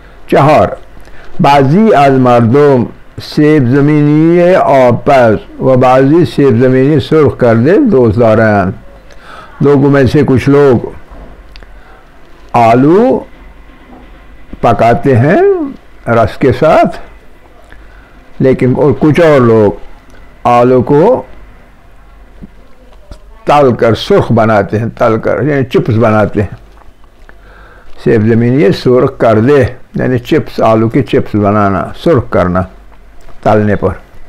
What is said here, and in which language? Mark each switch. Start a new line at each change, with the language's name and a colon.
Persian: چہار، بعضی از مردم سیب زمینی آبپز و بعضی سیب زمینی سرخ کرده دوست دارند.
Urdu: لوگوں میں سے کچھ لوگ آلو پکاتے ہیں رس کے ساتھ، لیکن اور کچھ اور لوگ آلو کو تل کر سرخ بناتے ہیں، تل کر یعنی چپس بناتے ہیں.
Persian: سیب زمینی سرخ کرده یعنی چپس،
Urdu: آلو کے چپس بنانا، سرخ کرنا تلنے پر.